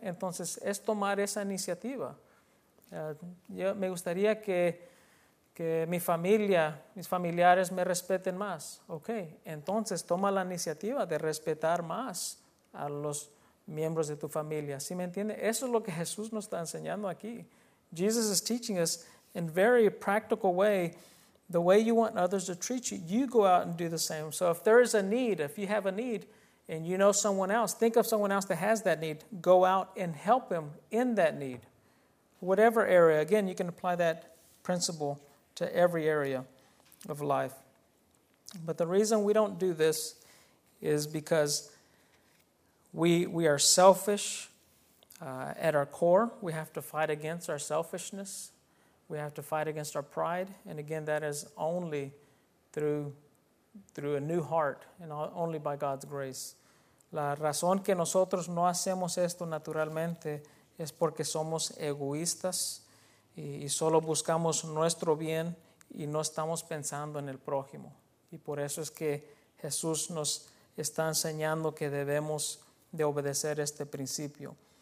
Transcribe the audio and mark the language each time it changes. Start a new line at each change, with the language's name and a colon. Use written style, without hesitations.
Spanish: Entonces es tomar esa iniciativa. Yo me gustaría que mi familia, mis familiares me respeten más. Ok, entonces toma la iniciativa de respetar más a los miembros de tu familia. ¿Sí me entiende? Eso es lo que Jesús nos está enseñando aquí.
English: Jesus is teaching us in very practical way, the way you want others to treat you, you go out and do the same. So if there is a need, if you have a need, and you know someone else, think of someone else that has that need, go out and help them in that need. Whatever area, again, you can apply that principle to every area of life. But the reason we don't do this is because we are selfish at our core. We have to fight against our selfishness. We have to fight against our pride. And again, that is only through a new heart and only by God's grace.
Spanish: La razón que nosotros no hacemos esto naturalmente es porque somos egoístas y solo buscamos nuestro bien y no estamos pensando en el prójimo. Y por eso es que Jesús nos está enseñando que debemos de obedecer este principio.